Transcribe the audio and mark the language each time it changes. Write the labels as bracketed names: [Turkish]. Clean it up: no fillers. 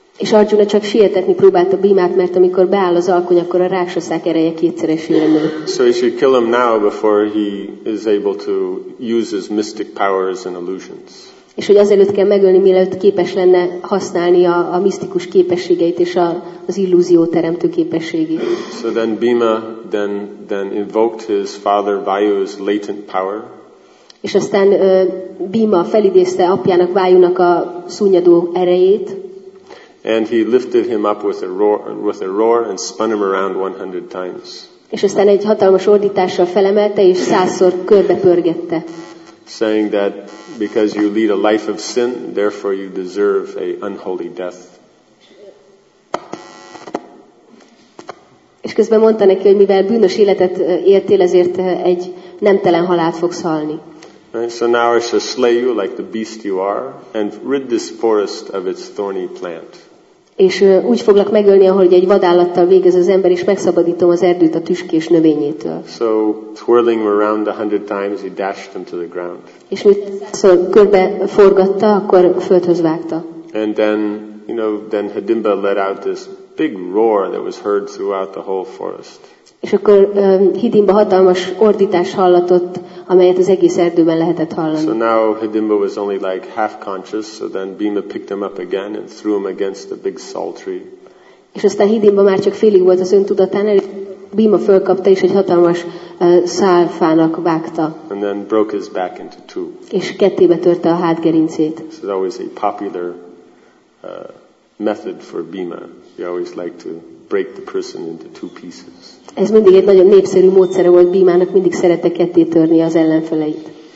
[Hungarian] És Arjuna csak sietetni próbálta Bhimát, mert amikor beáll az alkony, akkor a rákshaszák ereje kétszeresére nő. [English] So he should kill him now before he is able to use his mystic powers and illusions. [Hungarian] És hogy azelőtt kell megölni, mielőtt képes lenne használni a misztikus képességeit és az illúzió teremtő képességét. [English] So then Bhima then invoked his father Vayu's latent power. [Hungarian] És aztán Bhima felidézte apjának Vayunak a szúnyadó erejét. [English] And he lifted him up with a roar, and spun him around 100 times. [Hungarian] És aztán egy hatalmas ordítással felemelte és 100-szor körbepörgette. [English] Saying that because you lead a life of sin, therefore you deserve a unholy death. [Hungarian] És közben mondta neki, hogy mivel bűnös életet éltél, ezért egy nemtelen halált fogsz halni. [English] And so now I shall slay you like the beast you are, and rid this forest of its thorny plant. [Hungarian] És úgy foglak megölni, ahogy egy vadállattal végez az ember, és megszabadítom az erdőt a tüskés növényétől. [English] So twirling around 100 times, he dashed him to the ground. [Hungarian] És mit szóval körbe forgatta, akkor földhöz vágta. [English] And then, you know, then Hidimba let out this big roar that was heard throughout the whole forest. [Hungarian] És akkor Hidimba hatalmas ordítás hallatott, amelyet az egész erdőben lehetett hallani. [English] So now Hidimba was only like half conscious, so then Bhima picked him up again and threw him against the big salt tree. [Hungarian] És aztán Hidimba már csak félig volt az öntudatánál, és Bhima fölkapta és egy hatalmas szálfának vágta. [English] And then broke his back into two. [Hungarian] És kettébe törte a hátgerincét. [English] So that was a popular method for Bhima. He always liked to break the person into two pieces. [Hungarian] Ez mindig egy nagyon népszerű módszere volt Bhimának, mindig szerette ketté törni az ellenfeleit.